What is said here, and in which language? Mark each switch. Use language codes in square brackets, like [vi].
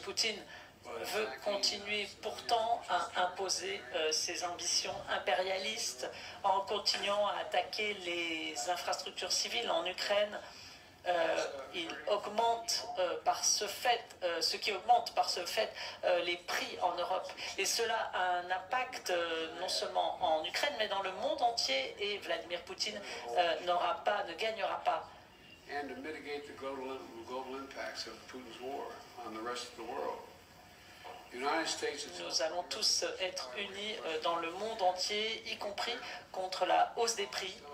[fr] Poutine veut continuer pourtant à imposer ses ambitions impérialistes en continuant à attaquer les infrastructures civiles en Ukraine. Ce qui augmente par ce fait les prix en Europe. Et cela a un impact non seulement en Ukraine, mais dans le monde entier, et Vladimir Poutine ne gagnera pas. [en] And to mitigate the global impacts of Putin's war on the rest of the world. [fr] Nous allons tous être unis dans le monde entier, y compris contre la hausse des prix.